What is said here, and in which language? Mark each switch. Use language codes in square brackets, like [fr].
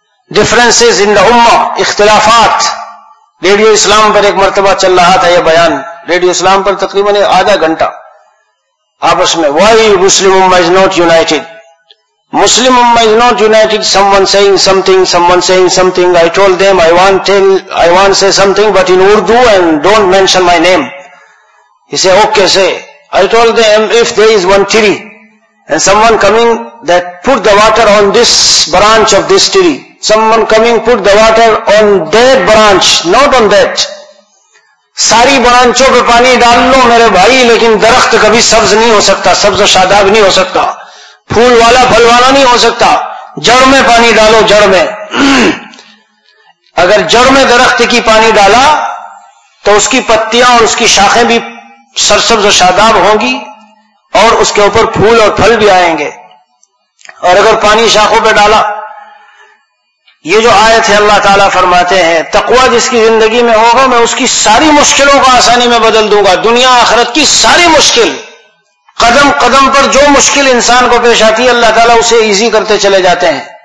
[en] differences in the امہ [ur] اختلافات radio اسلام پر ایک مرتبہ چل رہا تھا یہ بیان ریڈیو اسلام پر تقریباً آدھا گھنٹہ آپس میں [en] Why Muslim امہ is not united Muslim Ummah is not united, someone saying something, I told them, I want to say something, but in Urdu and don't mention my name. He say, okay, say, I told them, if there is one tree, and someone coming, that put the water on this branch of this tree, someone coming, put the water on that branch, not on that. [ur] ساری برانچوں پہ پانی ڈال لو میرے بھائی لیکن درخت کبھی سبز نہیں ہو سکتا سبز شاداب نہیں ہو سکتا پھول والا پھل والا نہیں ہو سکتا جڑ میں پانی ڈالو جڑ میں اگر جڑ میں درخت کی پانی ڈالا تو اس کی پتیاں اور اس کی شاخیں بھی سرسبز و شاداب ہوں گی اور اس کے اوپر پھول اور پھل بھی آئیں گے اور اگر پانی شاخوں پہ ڈالا یہ جو آیت ہے اللہ تعالیٰ فرماتے ہیں تقویٰ جس کی زندگی میں ہوگا میں اس کی ساری مشکلوں کو آسانی میں بدل دوں گا دنیا آخرت کی ساری مشکل قدم قدم پر جو مشکل انسان کو پیش آتی ہے اللہ تعالیٰ اسے ایزی کرتے چلے جاتے ہیں